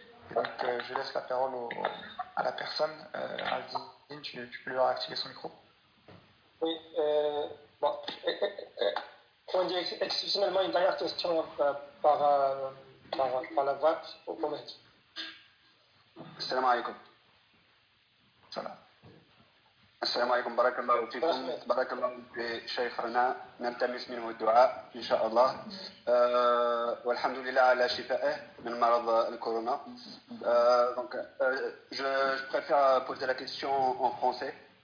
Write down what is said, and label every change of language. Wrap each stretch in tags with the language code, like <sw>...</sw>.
<fr>Et donc je laisse la parole à la personne, Aldine, tu peux lui réactiver son micro. Oui, bon, on dit exceptionnellement une dernière question par la voix au comment.</fr> <ar>Salam alaikum. Salam. السلام عليكم، بارك الله فيكم، بارك الله في شيخنا، نلتمس منه الدعاء إن شاء الله، والحمد لله على شفائه من مرض الكورونا.</ar> <fr>Donc, je préfère poser la question en français.</fr>